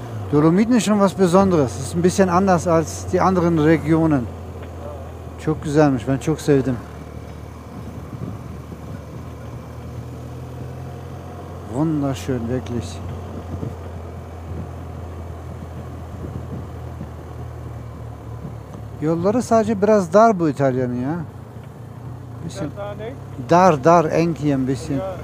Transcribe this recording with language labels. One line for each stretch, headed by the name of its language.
German: Dolomiten ist schon was Besonderes. Es ist ein bisschen anders als die anderen Regionen.
Turkish: Çok güzelmiş, ben çok sevdim.
German: Wunderschön, wirklich.
Turkish: Yolları sadece biraz dar bu İtalya'nın ya.
German: Bisschen dar, dar, eng hier ein bisschen.